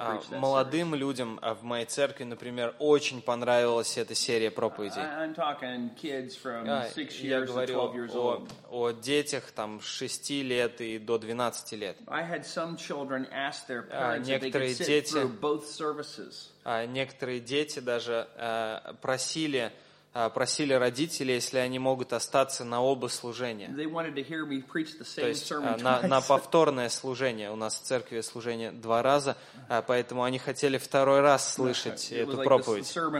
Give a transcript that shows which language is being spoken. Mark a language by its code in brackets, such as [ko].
[ru] Молодым людям в моей церкви, например, очень понравилась эта серия проповедей. Я говорю о детях там, 6 лет и до 12 лет. [en] I had some children ask their parents if they could sit through both services. [ru] Некоторые дети даже просили просили родителей, если они могут остаться на оба служения. То есть на повторное служение. У нас в церкви служение два раза, поэтому они хотели второй раз слышать эту проповедь.